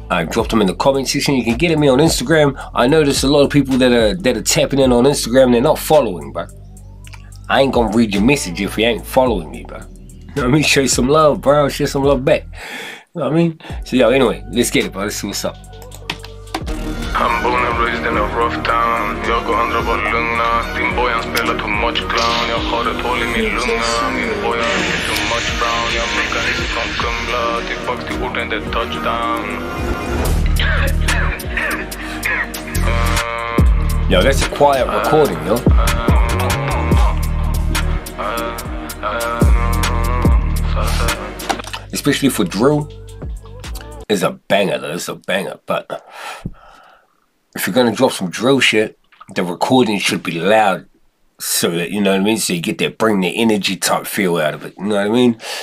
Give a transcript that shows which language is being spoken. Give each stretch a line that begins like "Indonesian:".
English: Drop them in the comment section. You can get at me on Instagram. I notice a lot of people that are tapping in on Instagram, they're not following, bruh. I ain't gonna read your message if you ain't following me, bro. You know what I mean? Show you some love, bro. Show some love back. You know what I mean? So, yo, anyway, let's get it, bro. Let's see what's up. I'm born and raised in a rough town.
Swedish: Jag går andra var lugna. Din boy han spelar
English: too much clown.
Swedish: Jag har ett hål i min lunga. Min boy han är
English: too much brown.
Swedish: Jag muggar inte från Kumla. Tillbaka till orden, det är touchdown.
English: Yo, that's a quiet recording, yo. Especially for drill, it's a banger though, it's a banger. But if you're gonna drop some drill shit, the recording should be loud so that, you know what I mean, so you get that bring the energy type feel out of it, you know what I mean.